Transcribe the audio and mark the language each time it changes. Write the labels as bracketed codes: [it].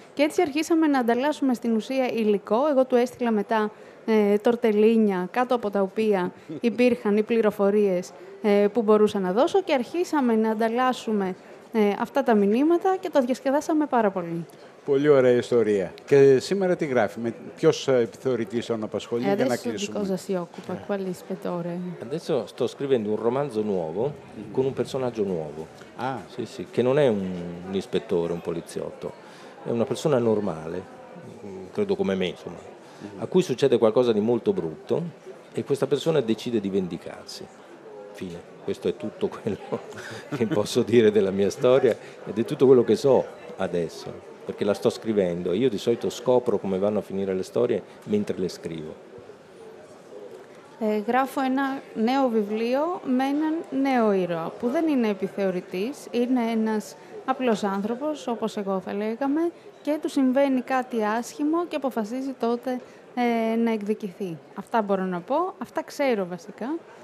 [el] Και έτσι αρχίσαμε να ανταλλάσσουμε στην ουσία υλικό. Εγώ του έστειλα μετά τορτελίνια, κάτω από τα οποία υπήρχαν οι πληροφορίες που μπορούσα να δώσω, και αρχίσαμε να ανταλλάσσουμε αυτά τα μηνύματα και το διασκεδάσαμε πάρα πολύ. Πολύ ωραία ιστορία. Και σήμερα τι γράφει, με ποιος επιθεωρητής τον απασχολεί για να κλείσουμε. [it] Adesso di cosa si occupa, qual è il spettore? Adesso sto scrivendo un romanzo nuovo con un personaggio nuovo. Ah. Sì, sì, che non è un ispettore, un poliziotto. È una persona normale, credo come me, insomma, a cui succede qualcosa di molto brutto e questa persona decide di vendicarsi. Fine. Questo è tutto quello che posso dire della mia storia ed è tutto quello che so adesso. Perché la sto scrivendo. Io di solito scopro come vanno a finire le storie mentre le scrivo. [el] Γράφω ένα νέο βιβλίο με έναν νέο ήρωα που δεν είναι επιθεωρητής, είναι ένας απλός άνθρωπος, όπως εγώ θα λέγαμε, και του συμβαίνει κάτι άσχημο και αποφασίζει τότε να εκδικηθεί. Αυτά μπορώ να πω, αυτά ξέρω βασικά.